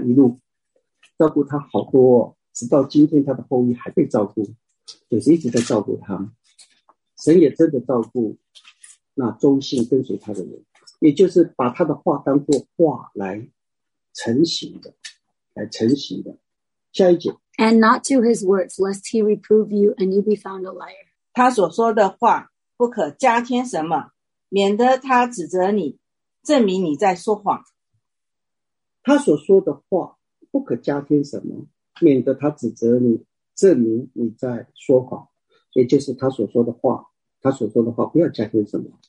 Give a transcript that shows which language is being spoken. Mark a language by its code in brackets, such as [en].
[zh] 一路照顾他好多、哦、直到今天他的后裔还被照顾，就是一直在照顾他。神也真的照顾那忠信跟随他的人，也就是把他的话当作话来成形的，来成形的。下一节， [en] And not to his words, lest he reprove you and you be found a liar. [zh] 他所说的话不可加添什么，免得他指责你，证明你在说谎。他所说的话不可加添什么，免得他指责你，证明你在说谎。也就是他所说的话，他所说的话不要加添什么。